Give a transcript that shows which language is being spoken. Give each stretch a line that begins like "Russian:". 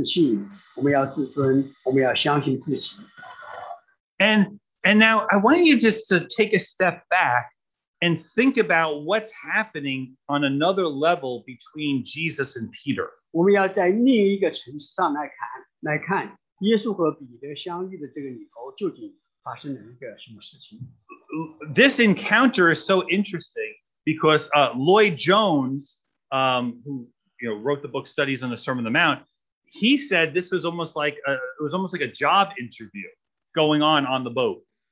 Chinese: 另一个对比，我们就看见在这里和世俗的哲学的一个对比，因为这个世俗的哲学都告诉我们说，我们要自信，我们要自尊，我们要相信自己。
English: And now I want you just to take a step back and think about what's happening on another level between Jesus and Peter.
Chinese: 我们要在另一个层次上来看，耶稣和彼得相遇的这个里头，究竟发生了一个什么事情？
English: This encounter is so interesting because Lloyd-Jones, who wrote the book Studies on the Sermon on the Mount, he said this was almost like a job interview going on the boat.